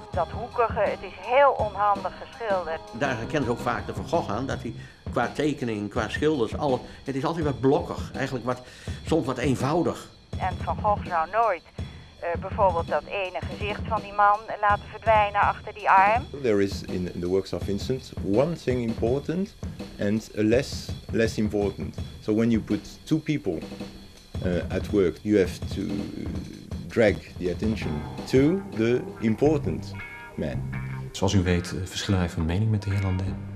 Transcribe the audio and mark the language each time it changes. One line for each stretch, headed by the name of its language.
Dutch: Dat hoekige, het is heel onhandig geschilderd. Daar herkent ze ook vaak de Van Gogh aan, dat hij qua tekening, qua schilders, alles, het is altijd wat blokkig, eigenlijk wat, soms wat eenvoudig. En Van Gogh zou nooit bijvoorbeeld dat ene gezicht van die man laten verdwijnen achter die arm.
English: There is in the works of Vincent one thing important and less important. So when you put two people at work, you have to drag the attention to the important man.
Dutch: Zoals u weet verschillen wij van mening met de heer Landin.